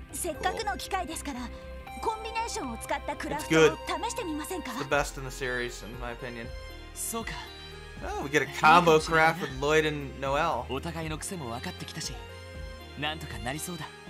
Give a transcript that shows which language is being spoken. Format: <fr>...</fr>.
<ja>せっかくの機会ですから, コンビネーションを使ったクラフトを試してみませんか?</ja> <en>It's the best in the series, in my opinion.</en> <ja>そうか.</ja> <en>Oh, we get a combo craft with Lloyd and Noel.</en> <ja>お互いの癖も分かってきたし, なんとかなりそうだ.</ja>